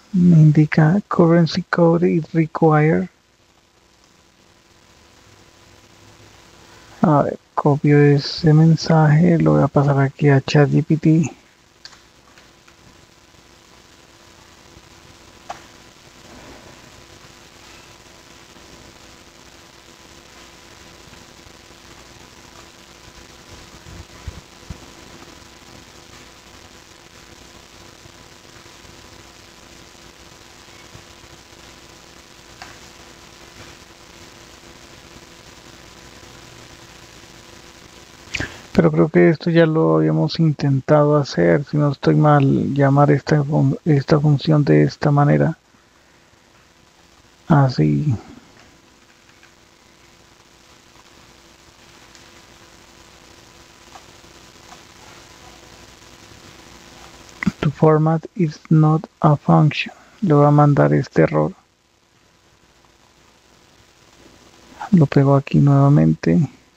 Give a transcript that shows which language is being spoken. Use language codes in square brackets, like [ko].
[es] Me indica [en] currency code is required. [es] A ver, copio ese mensaje, lo voy a pasar aquí a ChatGPT. Pero creo que esto ya lo habíamos intentado hacer, si no estoy mal, llamar esta función de esta manera. Así. [en] To format is not a function. [es] Le voy a mandar este error. Lo pego aquí nuevamente.